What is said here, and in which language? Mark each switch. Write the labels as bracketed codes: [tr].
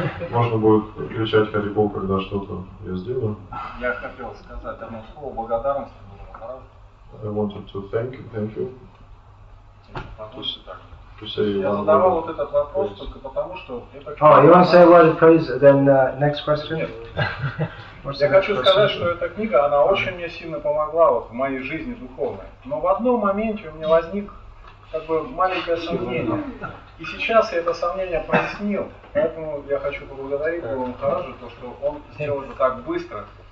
[ru] Можно будет кричать Hari Bol, когда что-то я сделаю. Я хотел сказать одно слово благодарности. [en] I wanted to thank you. You want to say a word of praise, then next question? [ru] Я хочу сказать, что эта книга, она очень мне сильно помогла в моей жизни духовной. Но в одном моменте у меня возник как бы маленькое сомнение. И сейчас я это сомнение прояснил. Поэтому я хочу поблагодарить Гуру Махараджу, то, что он сделал это так быстро.